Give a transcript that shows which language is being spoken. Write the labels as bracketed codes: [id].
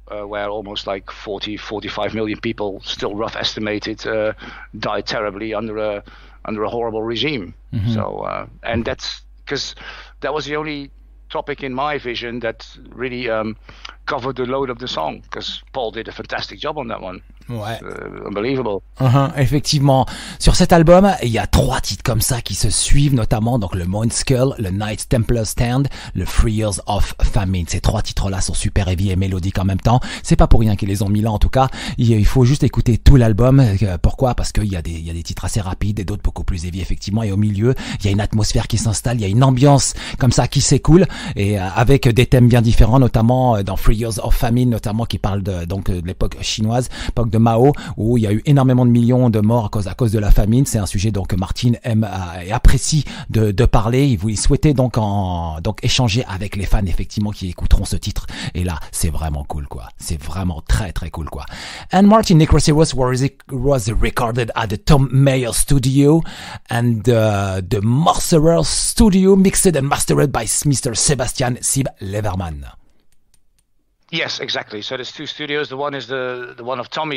[en] Where almost like 40-45 million people, still rough estimated, died terribly under a horrible regime. Mm-hmm. So and that's because that was the only topic in my vision that really covered the load of the song, because Paul did a fantastic job on that one. [fr] Ouais. [en] Unbelievable. [fr] Effectivement. Sur cet album, il y a 3 titres comme ça qui se suivent, notamment donc le Mount Skull, le Knights Templar Stand, le 3 Years of Famine. Ces 3 titres-là sont super heavy et mélodiques en même temps. C'est pas pour rien qu'ils les ont mis là, en tout cas. Il faut juste écouter tout l'album. Pourquoi? Parce qu'il y a des titres assez rapides et d'autres beaucoup plus heavy, effectivement. Et au milieu, il y a une atmosphère qui s'installe, il y a une ambiance comme ça qui s'écoule, et avec des thèmes bien différents, notamment dans 3 Years of Famine, notamment qui parle de l'époque chinoise, de Mao, où il y a eu énormément de millions de morts à cause de la famine. C'est un sujet donc que Martin aime et apprécie de parler. Il souhaitait donc échanger avec les fans, effectivement, qui écouteront ce titre. Et là, c'est vraiment cool, quoi. C'est vraiment très, très cool, quoi. [en] And Martin, Necrosirus was recorded at the Tom Mayer Studio and the Morcerer Studio, mixed and mastered by Mr. Sebastian Sib Leverman. Yes, exactly. So there's 2 studios. The one is the one of Tommy.